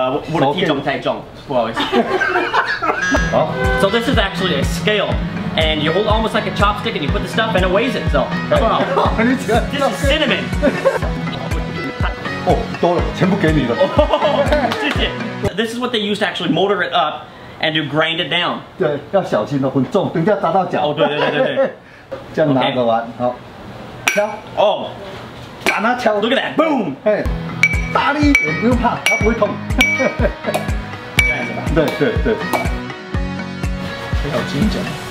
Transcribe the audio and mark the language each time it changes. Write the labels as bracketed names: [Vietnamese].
[Chinese] 我的体重太重，不好意思。好 [English] ，So this is actually a scale. And you hold almost like a chopstick and you put the stuff and it weighs it, so. This is cinnamon. [Chinese] Oh, 多了，全部给你了。谢谢。 [English] This is what they use to actually motor it up and to grind it down. [Chinese] 对，要小心哦，很重，等一下砸到脚。哦，对。这样拿个碗，好。敲。哦。把它敲。 [English] Look at that. Boom. [Chinese] 大力一点，不用怕，它不会痛。这样子吧。对。很有精准。